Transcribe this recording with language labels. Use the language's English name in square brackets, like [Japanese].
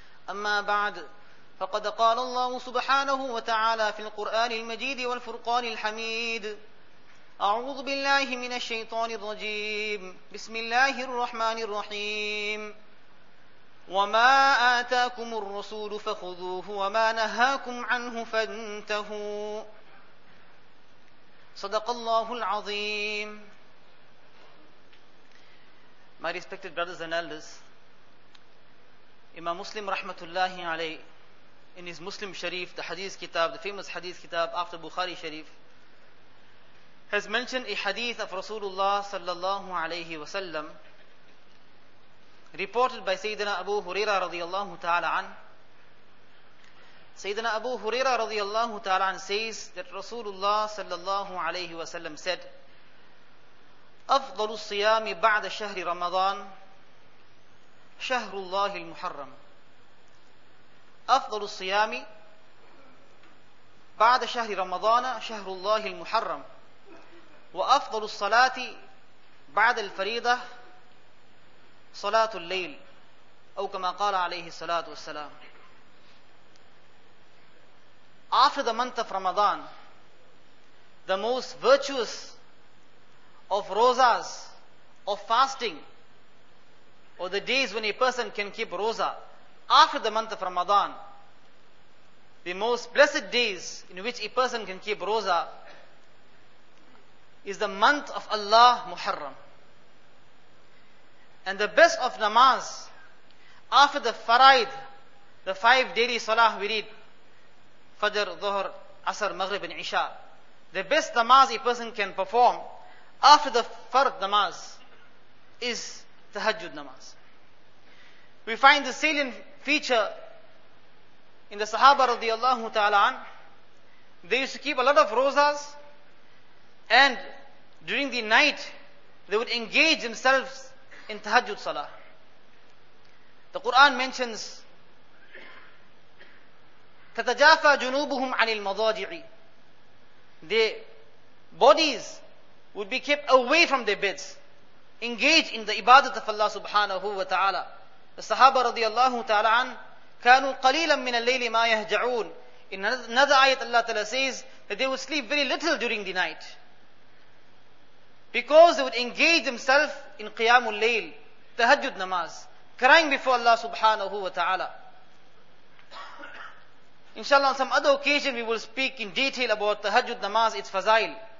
[Arabic] أما بعد فقد قال الله سبحانه وتعالى في القرآن المجيد والفرقان الحميد أعوذ بالله من الشيطان الرجيم بسم الله الرحمن الرحيم وما آتاكم الرسول فخذوه وما نهاكم عنه فانتهوا صدق الله العظيم. [English] My respected brothers and elders, Imam Muslim rahmatullahi alayh, in his Muslim Sharif, the Hadith Kitab, the famous Hadith Kitab after Bukhari Sharif, has mentioned a hadith of Rasulullah sallallahu alayhi wa sallam, reported by Sayyidina Abu Huraira radiyallahu ta'ala an. Sayyidina Abu Huraira radiyallahu ta'ala an says that Rasulullah sallallahu alayhi wa sallam said, [Arabic] أفضل الصيام بعد شهر رمضان شهر الله المحرم. أفضل الصيام بعد شهر رمضان شهر الله المحرم وأفضل الصلاة بعد الفريضة صلاة الليل أو كما قال عليه الصلاة والسلام. [English] After the month of Ramadan, the most virtuous of rozas, of fasting, or the days when a person can keep roza, after the month of Ramadan, the most blessed days in which a person can keep roza is the month of Allah Muharram. And the best of namaz, after the faraid, the five daily salah we read, Fajr, Dhuhr, Asr, Maghrib and Isha, the best namaz a person can perform after the fard namaz is tahajjud namaz. We find the salient feature in the Sahaba radiallahu ta'ala an. They used to keep a lot of rozas, and during the night they would engage themselves in tahajjud salah. The Quran mentions, [Arabic] تتجافى جنوبهم عن المضاجع. [English] Their bodies would be kept away from their beds, engaged in the ibadat of Allah subhanahu wa ta'ala. [Arabic] The Sahaba radiallahu ta'ala an, كانوا قليلا من الليل ما يهجعون. [English] In another ayat Allah ta'ala says that they would sleep very little during the night, because they would engage themselves in qiyamul layl, tahajjud namaz, crying before Allah subhanahu wa ta'ala. Inshallah, on some other occasion we will speak in detail about tahajjud namaz, its fazail.